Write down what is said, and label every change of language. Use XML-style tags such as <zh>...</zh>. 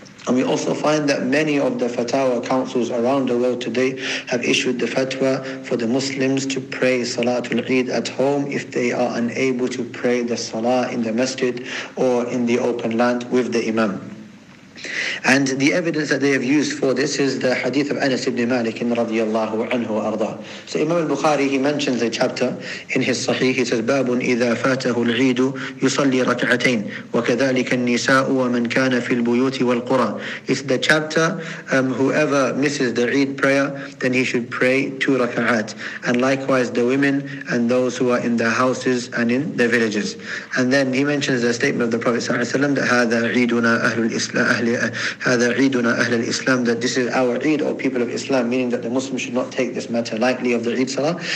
<en>And we also find that many of the fatwa councils around the world today have issued the fatwa for the Muslims to pray Salatul Eid at home if they are unable to pray the Salah in the masjid or in the open land with the Imam. And the evidence that they have used for this is the hadith of Anas ibn Malik radiyallahu anhu wa arda. So Imam al-Bukhari, he mentions a chapter in his Sahih. He says,</en> <ar>بَابٌ إِذَا فَاتَهُ الْعِيدُ يُصَلِّي رَكْعَتَيْنِ وَكَذَلِكَ النِّسَاءُ وَمَنْ كَانَ فِي الْبُيُوتِ وَالْقُرَى.</ar> <en>It's the chapter, whoever misses the Eid prayer, then he should pray two raka'at. And likewise the women and those who are in the houses and in the villages. And then he mentions the statement of the Prophet ﷺ that</en> <ar>هَذَا عِيدُنَا أَهْلُ الْإِسْلَامِ</ar> <en>that this is our Eid, or people of Islam, meaning that the Muslims should not take this matter lightly of the Eid Salah.</en>